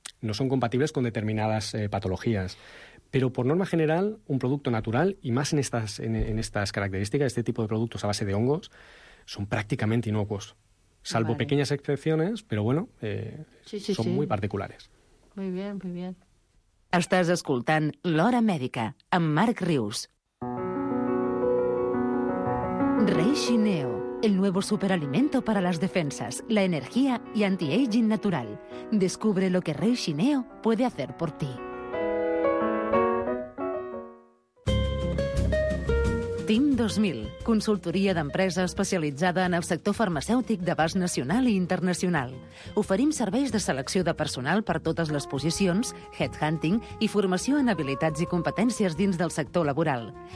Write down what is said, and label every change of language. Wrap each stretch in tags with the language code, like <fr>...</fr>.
<es>no son compatibles con determinadas patologías. Pero por norma general, un producto natural, y más en estas características, este tipo de productos a base de hongos, son prácticamente inocuos, salvo vale. pequeñas excepciones, pero bueno, son muy particulares. Muy bien, muy bien.</es> <ca>Estàs escoltant L'Hora Mèdica, amb Marc Rius.</ca> <es>Reishi Neo, el nuevo superalimento para las defensas, la energía y anti-aging natural. Descubre lo que Reishi Neo puede hacer por ti.</es> <ca>TIM 2000, consultoria d'empresa especialitzada en el sector farmacèutic d'abast nacional i internacional. Oferim serveis de selecció de personal per totes les posicions, headhunting i formació en habilitats i competències dins del sector laboral.</ca>